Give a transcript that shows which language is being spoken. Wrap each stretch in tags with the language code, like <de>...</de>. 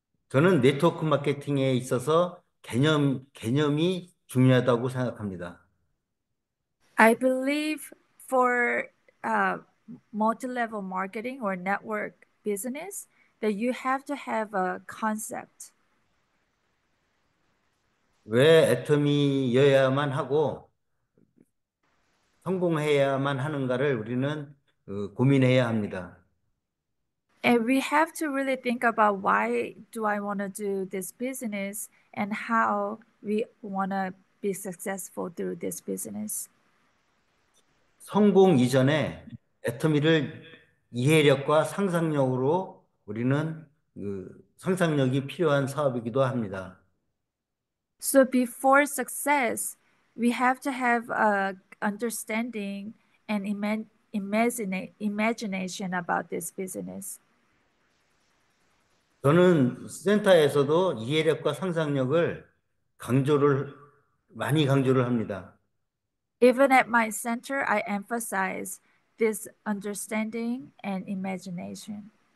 <ko>저는 네트워크 마케팅에 있어서 개념이 중요하다고 생각합니다.</ko> <en>I believe for multi-level marketing or network business that you have to have a concept.</en> <ko>왜 애터미여야만 하고 성공해야만 하는가를 우리는 고민해야 합니다.</ko> <en>And we have to really think about why do I want to do this business and how we want to be successful through this business.</en> <ko>성공 이전에 애터미를 이해력과 상상력으로 우리는 상상력이 필요한 사업이기도 합니다.</ko> <en>So before success, we have to have a understanding and imagination about this business.</en> <ko>저는 센터에서도 이해력과 상상력을 많이 강조를 합니다.</ko> <en>Even at my center, I emphasize this understanding and imagination.</en>